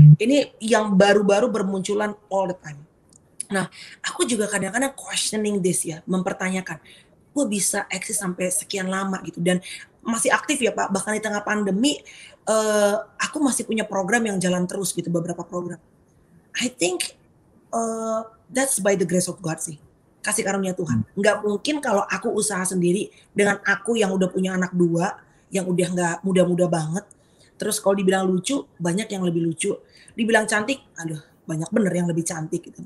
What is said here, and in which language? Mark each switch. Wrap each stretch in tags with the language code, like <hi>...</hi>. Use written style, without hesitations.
<id>Ini yang baru-baru bermunculan</id> <en>all the time.</en> <id>Nah, aku juga kadang-kadang</id> <en>questioning this</en> <id>ya, mempertanyakan, gue bisa eksis sampai sekian lama gitu. Dan masih aktif ya Pak, bahkan di tengah pandemi, aku masih punya program yang jalan terus gitu, beberapa program.</id> <en>I think that's by the grace of God</en> <id>sih. Kasih karunia Tuhan. Nggak mungkin kalau aku usaha sendiri dengan aku yang udah punya anak dua, yang udah nggak muda-muda banget, terus kalau dibilang lucu banyak yang lebih lucu, dibilang cantik, aduh banyak bener yang lebih cantik gitu.</id>